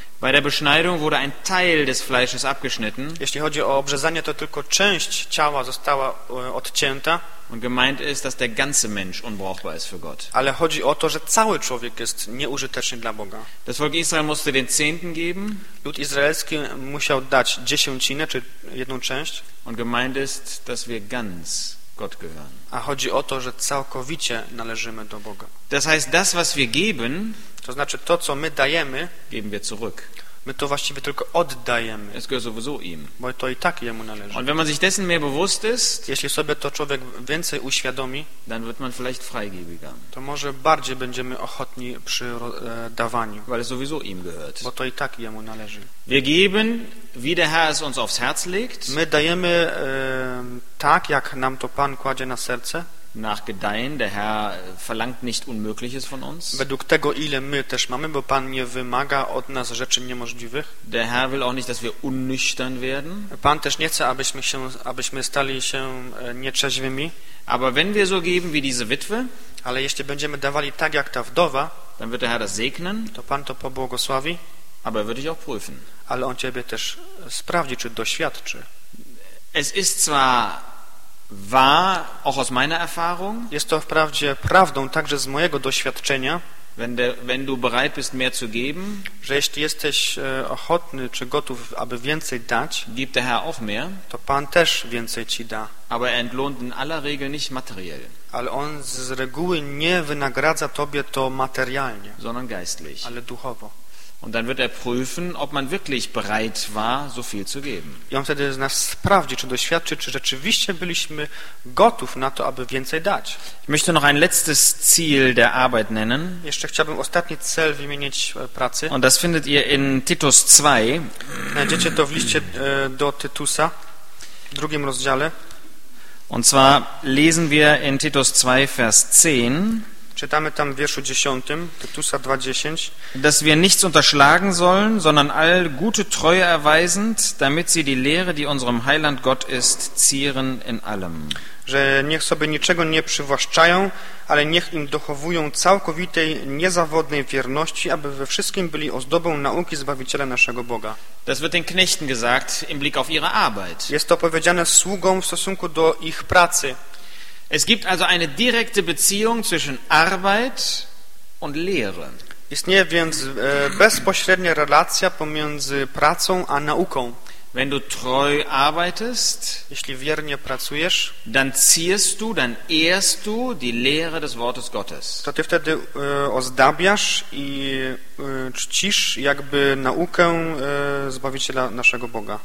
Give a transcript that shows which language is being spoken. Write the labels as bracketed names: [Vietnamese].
[German] Bei der Beschneidung wurde ein Teil des Fleisches abgeschnitten. [Polish] Jeśli chodzi o obrzezanie, to tylko część ciała została odcięta. [German] Und gemeint ist, dass der ganze Mensch unbrauchbar ist für Gott. [Polish] Ale chodzi o to, że cały człowiek jest nieużyteczny dla Boga. [German] Das Volk Israel musste den Zehnten geben. [Polish] Lud izraelski musiał dać dziesięcinę, czy jedną część. [German] Und gemeint ist, dass wir ganz Gott gehören. [Polish] A chodzi o to, że całkowicie należymy do Boga. [German] Das heißt, das, was wir geben, [Polish] to znaczy to, co my dajemy, [German] geben wir zurück. [Polish] My to właściwie tylko oddajemy. [German] Es gehört sowieso ihm. [Polish] Bo to i tak jemu należy. [German] Und wenn man sich dessen mehr bewusst ist, [Polish] jeśli sobie to człowiek więcej uświadomi, [German] dann wird man vielleicht freigiebiger. [Polish] To może bardziej będziemy ochotni przy dawaniu. [German] Weil es sowieso ihm gehört. [Polish] Bo to i tak jemu należy. [German] Wir geben, wie der Herr es uns aufs Herz legt. [Polish] My dajemy tak, jak nam to Pan kładzie na serce. [German] Nach Gedeihen, der Herr verlangt nicht Unmögliches von uns. [Polish] Według tego, ile my też mamy, bo Pan nie wymaga od nas rzeczy niemożliwych. [German] Der Herr will auch nicht, dass wir unnüchtern werden. [Polish] Pan też nie chce, abyśmy stali się nietrzeźwymi. [German] Aber wenn wir so geben wie diese Witwe, [Polish] ale jeśli będziemy dawali tak jak ta wdowa, [German] dann wird der Herr das segnen, [Polish] to Pan to pobłogosławi, [German] aber wird dich auch prüfen. [Polish] Ale on ciebie też sprawdzi, czy doświadczy. [German] Es ist zwar wahr, auch aus meiner Erfahrung, [Polish] jest to wprawdzie prawdą także z mojego doświadczenia, [German] wenn du bereit bist, mehr zu geben, [Polish] że jeśli jesteś ochotny czy gotów, aby więcej dać, [German] gibt der Herr auch mehr, [Polish] to Pan też więcej ci da. [German] Aber er entlohnt in aller Regel nicht materiell, [Polish] ale on z reguły nie wynagradza tobie to materialnie, [German] sondern geistlich, [Polish] ale duchowo. [German] Und dann wird prüfen, ob man wirklich bereit war, so viel zu geben. [Polish] I on wtedy z nas sprawdzi, czy doświadczy, czy rzeczywiście byliśmy gotów na to, aby więcej dać. [German] Ich möchte noch ein letztes Ziel der Arbeit nennen. [Polish] Jeszcze chciałbym ostatni cel wymienić pracy. [German] Und das findet ihr in Titus 2. [Polish] Znajdziecie to w liście do Tytusa, w drugim rozdziale. [German] Und zwar lesen wir in Titus 2, Vers 10. [Polish] Czytamy tam w wierszu 10, Tytusa 2:10, [German] dass wir nichts unterschlagen sollen, sondern all gute Treue erweisend, damit sie die Lehre, die unserem Heiland Gott ist, zieren in allem. [Polish] Że niech sobie niczego nie przywłaszczają, ale niech im dochowują całkowitej, niezawodnej wierności, aby we wszystkim byli ozdobą nauki Zbawiciela naszego Boga. [German] Das wird den Knechten gesagt im Blick auf ihre Arbeit. [Polish] Jest to powiedziane sługom w stosunku do ich pracy. [German] Es gibt also eine direkte Beziehung zwischen Arbeit und Lehre. [Polish] Istnieje więc bezpośrednia relacja pomiędzy pracą a nauką. [German] Wenn du treu arbeitest, [Polish] jeśli wiernie pracujesz, [German] dann ziehst du, dann ehrst du die Lehre des Wortes Gottes. [Polish] To ty wtedy ozdabiasz i czcisz jakby naukę Zbawiciela naszego Boga.